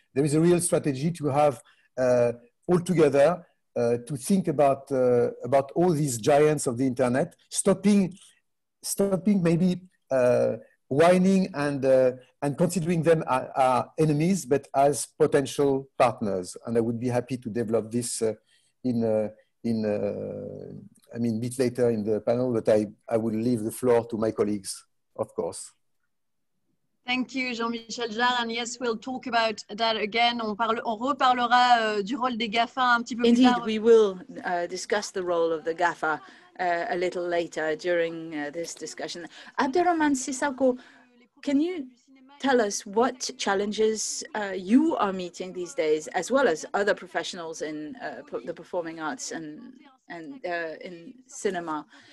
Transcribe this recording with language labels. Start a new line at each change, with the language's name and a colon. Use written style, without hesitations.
English: There is a real strategy to have all together to think about all these giants of the internet, stopping maybe whining and considering them as enemies, but as potential partners. And I would be happy to develop this a bit later in the panel, but I will leave the floor to my colleagues, of course. Thank you, Jean-Michel Jarre. And yes, we'll talk about that again.
French: On reparlera du rôle des GAFA un petit peu
English: Indeed,
French: plus tard.
English: Indeed, we will discuss the role of the GAFA a little later during this discussion. Adberrahmane Sissako, can you tell us what challenges you are meeting these days, as well as other professionals in the performing arts and in cinema?